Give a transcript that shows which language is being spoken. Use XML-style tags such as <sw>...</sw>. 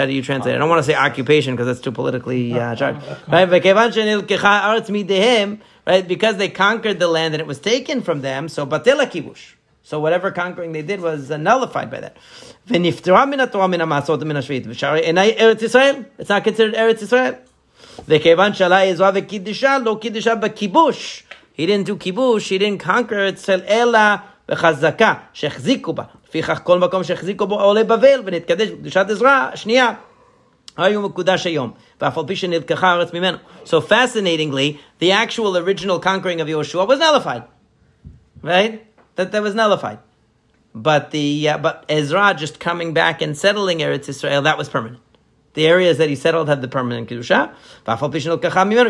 <en>How do you translate it? I don't want to say occupation because that's too politically charged. Right? Because they conquered the land and it was taken from them, so batel kibush. So whatever conquering they did was nullified by that. It's not considered Eretz Yisrael.</en> <he>וכיוון שעלה עזרה וקידישה, לא קידישה בכיבוש.</he> <en>He didn't do כיבוש, he didn't conquer אצל אלא בחזקה, שהחזיקו בה.</en> <he>לפיכך כל מקום שהחזיקו בו עולה בבל, ונתקדש בקדושת עזרה, שנייה, היום מקודש היום. ואף על פי שנלקחה הארץ ממנו.</he> <en>So fascinatingly, the actual original conquering of Yoshua was nullified. Right? That was nullified. But Ezra just coming back and settling Eretz Israel, that was permanent. The areas that he settled had the permanent kedusha.</en>